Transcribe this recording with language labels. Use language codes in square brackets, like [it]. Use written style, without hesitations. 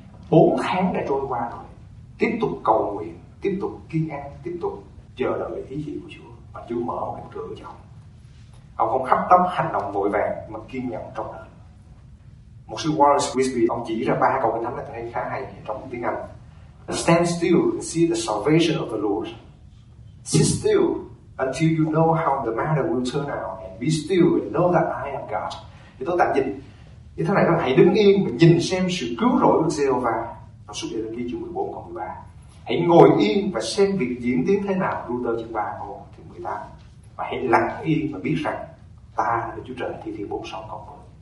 [vi] 4 tháng đã trôi qua rồi, tiếp tục cầu nguyện, tiếp tục kiên ăn, tiếp tục chờ đợi ý chỉ của Chúa, và Chúa mở một cánh cửa cho ông. Ông không hấp tấp hành động vội vàng mà kiên nhẫn trong đời. Một sư Wallace Wisby, ông chỉ ra 3 câu kinh thánh này, tôi thấy khá hay trong tiếng Anh. [en] Stand still and see the salvation of the Lord. Sit still until you know how the matter will turn out. And be still and know that I am God. [vi] Thì tôi tạm dịch như thế này, là hãy đứng yên và nhìn xem sự cứu rỗi của Giê-hô-va. Trong suốt đời ghi chương 14 câu 13. Hãy ngồi yên và xem việc diễn tiến thế nào. Luther chương 3 câu 18. Và hãy lặng yên và biết rằng ta là Chúa Trời. Thi Thiên 46 câu 10.